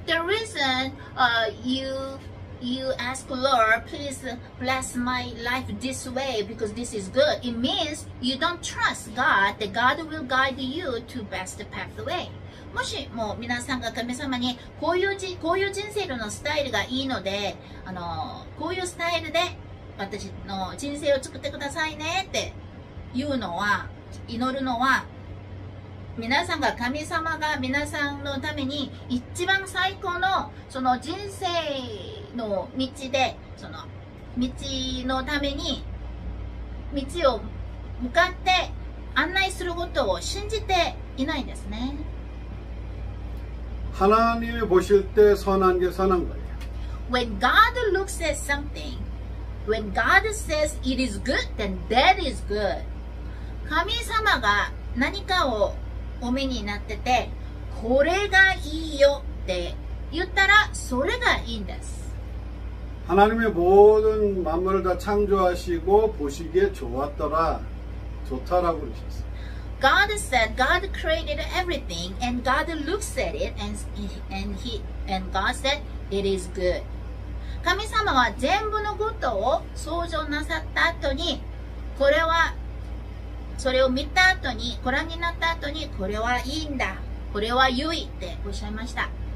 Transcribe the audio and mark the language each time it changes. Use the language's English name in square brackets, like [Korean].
[English] The reason you ask Lord, please bless my life this way because this is good. It means you don't trust God that God will guide you to best pathway. [Japanese] もしも皆さんが神様にこういう人生のスタイルがいいので、こういうスタイルで私の人生を作ってくださいねって言うのは、祈るのは、皆さんが神様が皆さんのために一番最高のその人生の道でその道のために道を向かって案内することを信じていないんですね。 [Korean] 하나님이보실때선한게선한거예요。 [English] When God looks at something, when God says it is good, then that is good. [Japanese] 神様が何かをお目になってて、これがいいよって言ったら、それがいいんです。 [Korean] 하나님의모든만물을다창조하시고보시기에좋았더라좋다라고그러셨어요 [English] God said God created everything and God looks at it and God said it is good. [Japanese] 神様は全部のことを創造なさった後に、これはそれを見た後に、ご覧になった後に、これはいいんだ、これは良いっておっしゃいました。